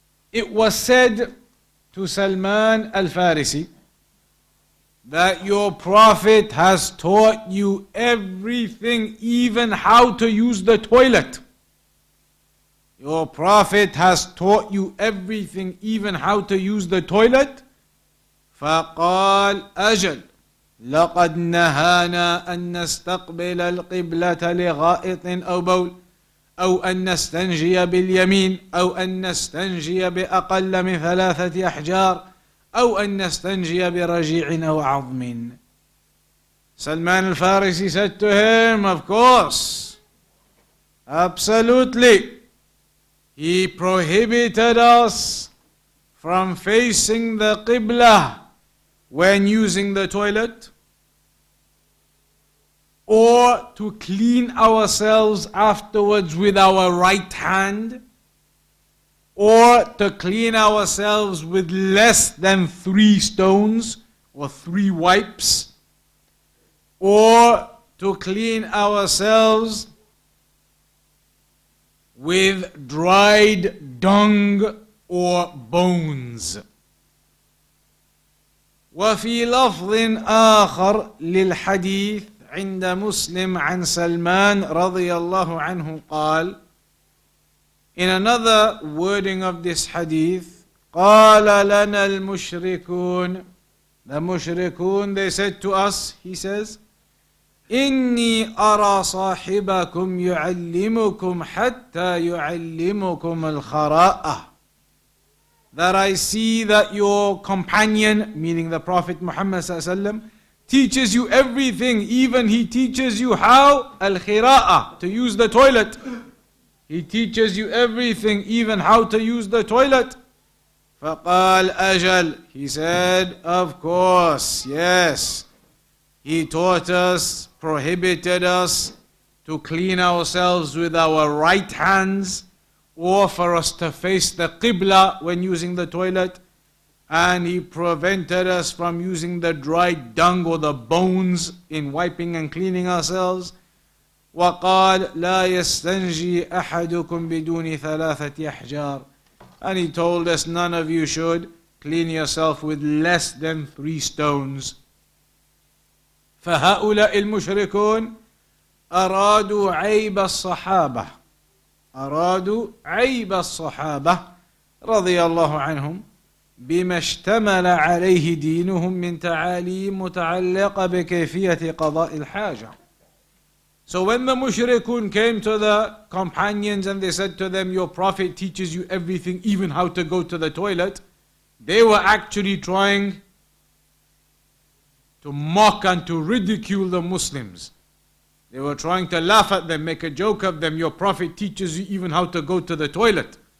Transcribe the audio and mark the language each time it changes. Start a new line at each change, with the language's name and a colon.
English: It was said to Salman al-Farisi that your prophet has taught you everything, even how to use the toilet. Your prophet has taught you everything, even how to use the toilet.
Arabic: فَقَالْ أَجَلْ لَقَدْ نَهَانَا أَن نَسْتَقْبِلَ الْقِبْلَةَ لِغَائِطٍ أَوْ بَوْلٍ أو أن نستنجي باليمين أو أن نستنجي بأقل من ثلاثة أحجار أو أن نستنجي برجيعنا وعظم.
English: سلمان الفارسي said to him, of course, absolutely, he prohibited us from facing the Qibla when using the toilet, or to clean ourselves afterwards with our right hand, or to clean ourselves with less than 3 stones or 3 wipes, or to clean ourselves with dried dung or bones.
Arabic: وفي لفظ آخر للحديث عند مسلم عن سلمان رضي الله عنه قال.
English: In another wording of this hadith,
Arabic: قال لنا المشركون.
English: The mushrikun, they said to us, he says,
Arabic: إني أرى صاحبكم يعلمكم حتى يعلمكم الخراء.
English: That I see that your companion, meaning the Prophet Muhammad sallallahu alaihi wasallam, teaches you everything. Even he teaches you how al-khira'a, to use the toilet. He teaches you everything, even how to use the toilet.
Arabic: فقال أجل.
English: He said, of course, yes. He taught us, prohibited us to clean ourselves with our right hands, or for us to face the Qibla when using the toilet. And he prevented us from using the dried dung or the bones in wiping and cleaning ourselves.
Arabic: وقال لا يستنجي أحدكم بدون ثلاثة أحجار.
English: And he told us, none of you should clean yourself with less than 3 stones.
Arabic: فهؤلاء المشركون أرادوا عيب الصحابة. أرادوا عيب الصحابة رضي الله عنهم بما اشتمل عليه دينهم من تعاليم متعلقة بكيفية قضاء الحاجة.
English: So when the mushrikun came to the companions and they said to them, your prophet teaches you everything, even how to go to the toilet, they were actually trying to mock and to ridicule the Muslims. They were trying to laugh at them, make a joke of them. Your prophet teaches you even how to go to the toilet.